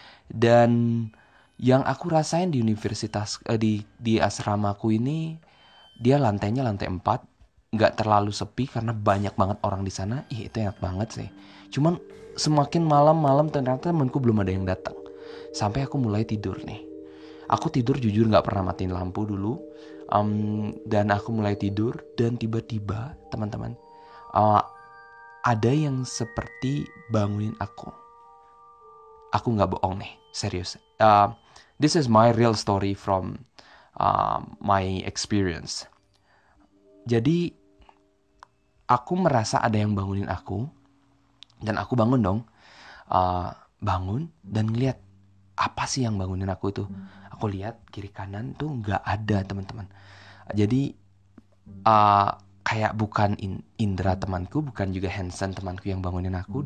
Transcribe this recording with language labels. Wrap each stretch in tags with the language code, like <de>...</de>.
<id>Dan yang aku rasain di universitas, di asramaku ini, dia lantainya lantai 4, nggak terlalu sepi karena banyak banget orang di sana. Itu enak banget sih. Cuman semakin malam-malam ternyata temanku belum ada yang datang. sampai aku mulai tidur nih. Aku tidur jujur gak pernah matiin lampu dulu. Dan aku mulai tidur dan tiba-tiba teman-teman, ada yang seperti bangunin aku. Aku gak bohong nih, serius.</id> <en>This is my real story from my experience.</en> <id>Jadi aku merasa ada yang bangunin aku dan aku bangun dong. Bangun dan ngeliat apa sih yang bangunin aku itu. Aku lihat kiri kanan tuh nggak ada teman-teman. Jadi kayak bukan Indra temanku, bukan juga Hansen temanku yang bangunin aku.</id>